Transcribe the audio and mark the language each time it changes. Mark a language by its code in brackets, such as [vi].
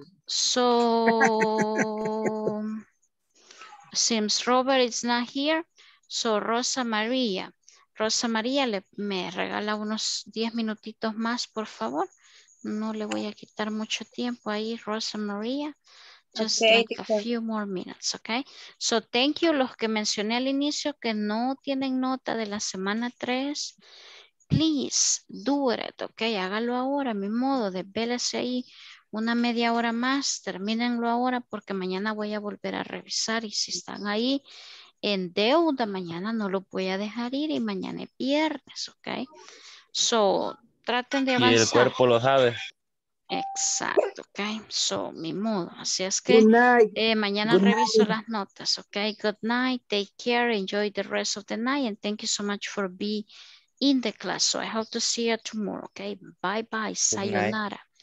[en] So, seems Robert is not here, so Rosa María. [es] Rosa María, me regala unos 10 minutitos más, por favor. No le voy a quitar mucho tiempo ahí, Rosa María. [en] Just okay, like a few more minutes, okay? So thank you, [es] los que mencioné al inicio que no tienen nota de la semana 3. [en] Please do it, okay? [es] Hágalo ahora, a mi modo, desvélese ahí una media hora más, termínenlo ahora porque mañana voy a volver a revisar y si están ahí en deuda mañana no lo voy a dejar ir y mañana es viernes, okay? So traten de avanzar. Y el cuerpo lo sabe. Exacto, ok, so, mi modo, así es que mañana good reviso night. Las notas, [en] ok, good night, take care, enjoy the rest of the night, and thank you so much for being in the class, so I hope to see you tomorrow, ok, bye bye, sayonara,